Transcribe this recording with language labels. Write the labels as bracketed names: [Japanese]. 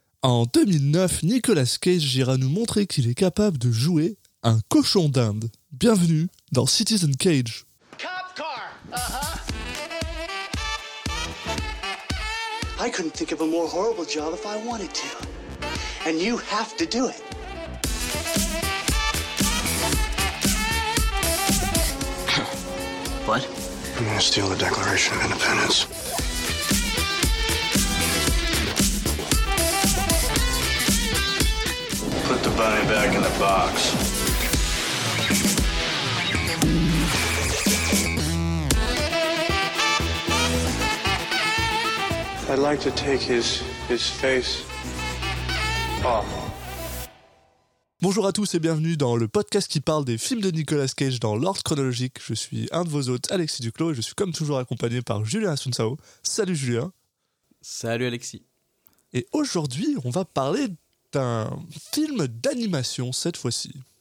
[French] En 2009, Nicolas Cage ira nous montrer qu'il est capable de jouer un cochon d'Inde. Bienvenue dans Citizen Cage. [English] Cop car. I couldn't think of a more horrible job if I wanted to. And you have to do it. What? I'm gonna steal the Declaration of Independence. Put the bunny back in the box. I'd like to take his face off. [French] Bonjour à tous et bienvenue dans le podcast qui parle des films de Nicolas Cage dans l'ordre chronologique. Je suis un de vos hôtes, Alexis Duclos, et je suis comme toujours accompagné par Julien Asuncao. Salut Julien. Salut Alexis. Et aujourd'hui, on va parler d'un film d'animation cette fois-ci.